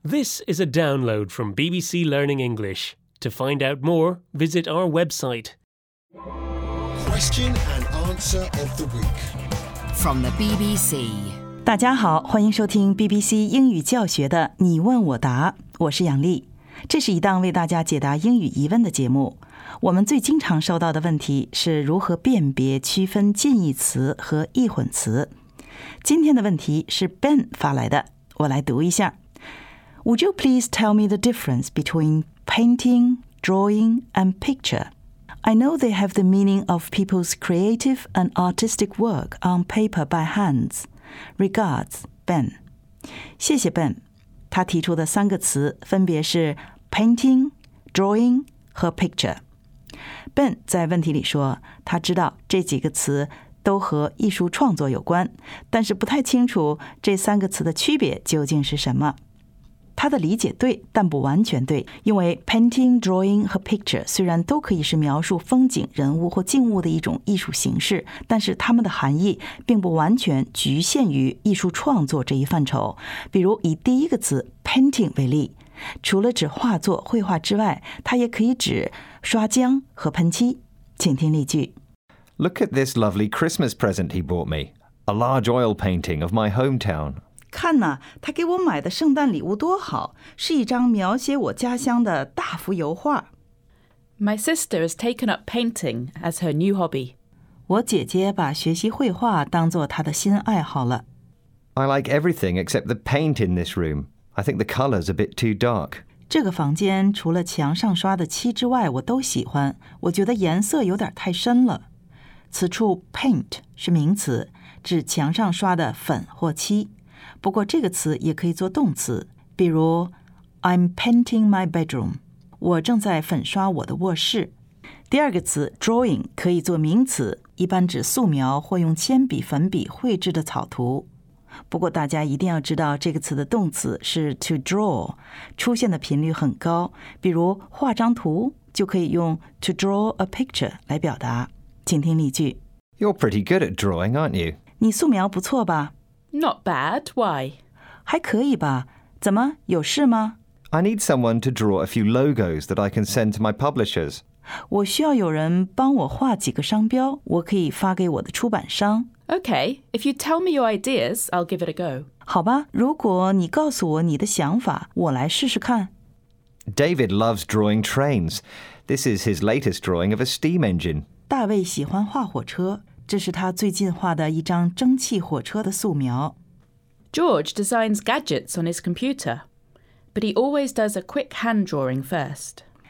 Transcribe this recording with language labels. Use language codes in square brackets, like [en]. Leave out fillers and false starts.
[en] This is a download from BBC Learning English. To find out more, visit our website. Question and answer of the week from the BBC. [zh] 大家好，欢迎收听 BBC 英语教学的你问我答，我是杨丽。这是一档为大家解答英语疑问的节目。我们最经常收到的问题是如何辨别区分近义词和易混词。今天的问题是 Ben 发来的，我来读一下。 [en] Would you please tell me the difference between painting, drawing, and picture? I know they have the meaning of people's creative and artistic work on paper by hands. Regards, Ben. [zh] 谢谢 [en] Ben. [zh] 他提出的三个词分别是 painting, drawing 和 picture. Ben 在问题里说，他知道这几个词都和艺术创作有关，但是不太清楚这三个词的区别究竟是什么。他的理解对，但不完全对，因为 painting, drawing 和 picture 虽然都可以是描述风景、人物或静物的一种艺术形式，但是它们的含义并不完全局限于艺术创作这一范畴。比如以第一个词 painting 为例，除了指画作、绘画之外，它也可以指刷浆和喷漆。请听例句。 [en] Look at this lovely Christmas present he bought me, a large oil painting of my hometown. [zh] 看哪，他给我买的圣诞礼物多好，是一张描写我家乡的大幅油画。 [en] My sister has taken up painting as her new hobby. [zh] 我姐姐把学习绘画当作她的新爱好了。 [en] I like everything except the paint in this room. I think the color's a bit too dark. [zh] 这个房间除了墙上刷的漆之外，我都喜欢。我觉得颜色有点太深了。此处 paint 是名词，指墙上刷的粉或漆。不过这个词也可以做动词，比如 [en] I'm painting my bedroom， [zh] 我正在粉刷我的卧室。第二个词 drawing 可以做名词，一般指素描或用铅笔、粉笔绘制的草图。不过大家一定要知道这个词的动词是 to draw， 出现的频率很高，比如画张图就可以用 [en] to draw a picture [zh] 来表达。请听例句。 [en] You're pretty good at drawing, aren't you? [zh] 你素描不错吧？ [en] Not bad, why? [zh] 还可以吧，怎么，有事吗？ [en] I need someone to draw a few logos that I can send to my publishers. [zh] 我需要有人帮我画几个商标，我可以发给我的出版商。 [en] Okay, if you tell me your ideas, I'll give it a go. [zh] 好吧，如果你告诉我你的想法，我来试试看。 [en] David loves drawing trains. This is his latest drawing of a steam engine. [zh] 大卫喜欢画火车。这是他最近画的一张蒸汽火车的素描。 [en] George designs gadgets on his computer, but he always does a quick hand drawing first.